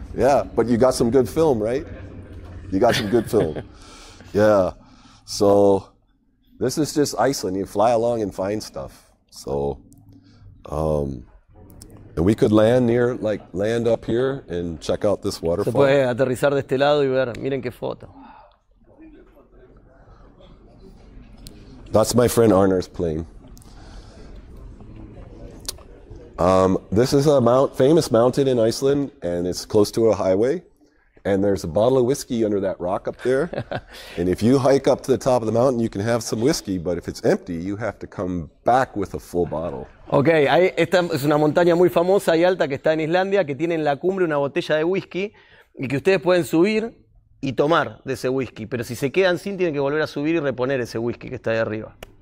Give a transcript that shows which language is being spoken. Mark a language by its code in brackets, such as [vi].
[en] Yeah, but you got some good film, right? You got some good film. Yeah. So this is just Iceland. You fly along and find stuff. So and we could land near, like, land up here and check out this waterfall. [es] Se puede aterrizar de este lado y ver, miren qué foto. [en] That's my friend Arnar's plane. This is a famous mountain in Iceland, and it's close to a highway. And there's a bottle of whiskey under that rock up there. And if you hike up to the top of the mountain, you can have some whiskey, but if it's empty, you have to come back with a full bottle. [es] Okay, esta es una montaña muy famosa y alta que está en Islandia, que tiene en la cumbre una botella de whisky y que ustedes pueden subir y tomar de ese whisky. Pero si se quedan sin, tienen que volver a subir y reponer ese whisky que está ahí arriba.